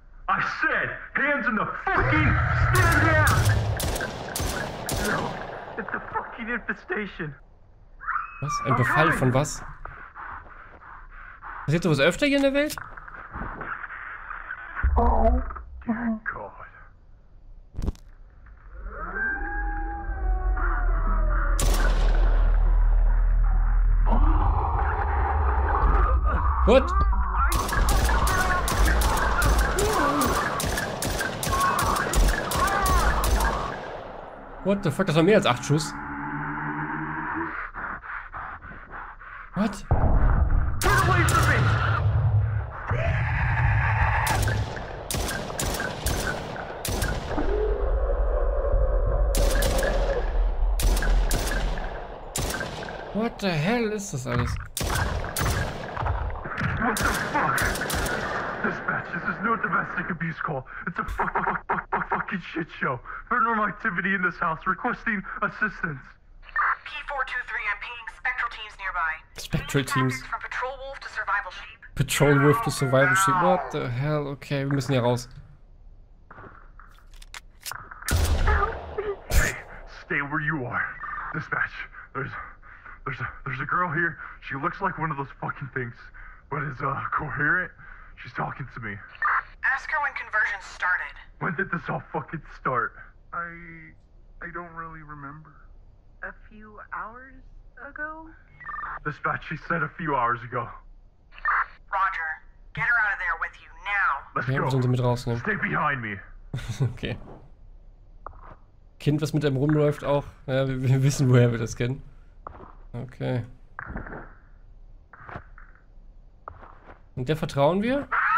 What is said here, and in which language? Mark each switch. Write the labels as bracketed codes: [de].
[en] I said, hands in the fucking stand down! It's a fucking infestation. [de] Was? Ein Befall von was? Passiert sowas öfter hier in der Welt? Oh. [en] What? What the fuck? [de] Das war mehr als 8 Schuss. [en] What? Turn away from me! What the hell [de] ist das alles? [en] What the fuck? Dispatch, this is no domestic abuse call. It's a fucking shit show. Paranormal activity in this house, requesting assistance. P423, I'm pinging spectral teams nearby. Spectral teams. From Patrol Wolf to Survival Sheep. Patrol Wolf to Survival Sheep. What the hell? [de] Okay, wir müssen hier raus. [en] Hey, stay where you are. Dispatch, there's a girl here. She looks like one of those fucking things, but is coherent. She's talking to me. Ask her when conversion started. When did this all fucking start? I don't really remember. A few hours ago? Dispatch, she said a few hours ago. Roger, get her out of there with you now. Let's go. Stay behind me. Okay. [de] Kind, was mit einem rumläuft auch. Ja, wir wissen, woher wir das kennen. Okay. Und der vertrauen wir?